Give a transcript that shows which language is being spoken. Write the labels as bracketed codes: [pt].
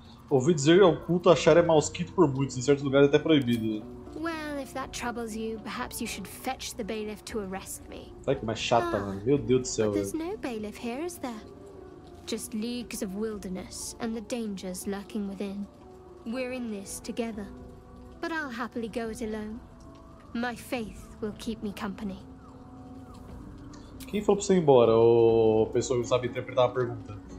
[pt] Ouvi dizer que é um culto achar é malquito por muitos, em certos lugares até proibido. [en] Well, if that troubles you, perhaps you should fetch the bailiff to arrest me. [pt] Ai, que mais chata, ah, mano. Meu Deus do céu. [en] There's no bailiff here, is there? Just leagues of wilderness and the dangers lurking within. We're in this together. But I'll happily go it alone. My faith will keep me company. [pt] Quem falou pra você ir embora, ou a pessoa que não sabe interpretar a pergunta?